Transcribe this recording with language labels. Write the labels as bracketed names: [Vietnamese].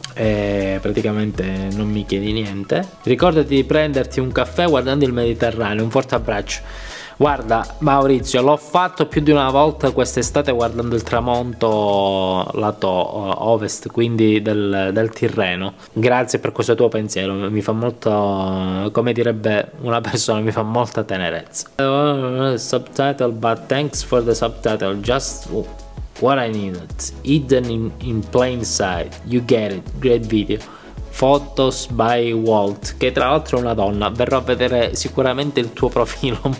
[Italian] E praticamente non mi chiedi niente. Ricordati di prenderti un caffè guardando il Mediterraneo. Un forte abbraccio. Guarda, Maurizio, l'ho fatto più di una volta quest'estate guardando il tramonto lato ovest, quindi del Tirreno. Grazie per questo tuo pensiero, mi fa molto, come direbbe una persona, mi fa molta tenerezza. [English] Subtitle, but thanks for the subtitle, just what I needed, hidden in plain sight, you get it, great video. Photos by Walt, [Italian] che tra l'altro è una donna, verrò a vedere sicuramente il tuo profilo.